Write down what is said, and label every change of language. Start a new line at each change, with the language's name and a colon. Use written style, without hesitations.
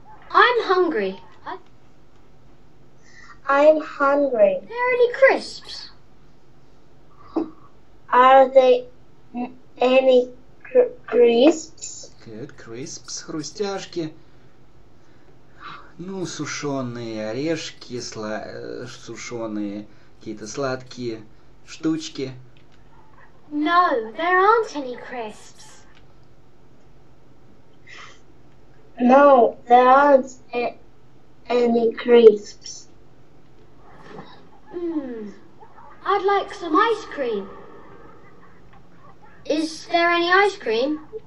English: I'm hungry. I'm hungry. Are there any crisps? Are there any crisps? Good, crisps, хрустяшки.
Russian: Ну, сушеные орешки, сушеные какие-то сладкие штучки.
English: No, there aren't any crisps. No, there aren't any crisps. I'd like some ice cream. Is there any ice cream?